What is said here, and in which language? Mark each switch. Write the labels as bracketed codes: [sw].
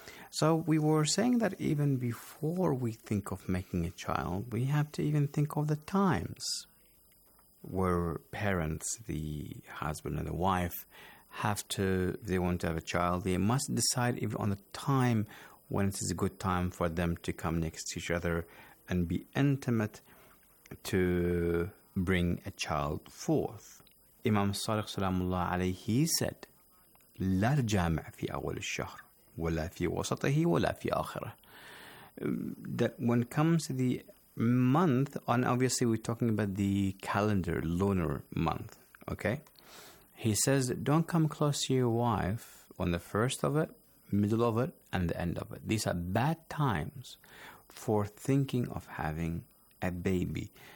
[en] So we were saying that even before we think of making a child, we have to even think of the times where parents, the husband and the wife, have to, if they want to have a child, they must decide even on the time when it is a good time for them to come next to each other and be intimate to bring a child forth. [ar] Imam Salih Salamullah alayhi said, لا جامع في أول الشهر ولا في وسطه ولا في آخره. [en] That when it comes to the month, and obviously we're talking about the calendar, lunar month, okay? He says, don't come close to your wife on the first of it, middle of it, and the end of it. These are bad times for thinking of having a baby.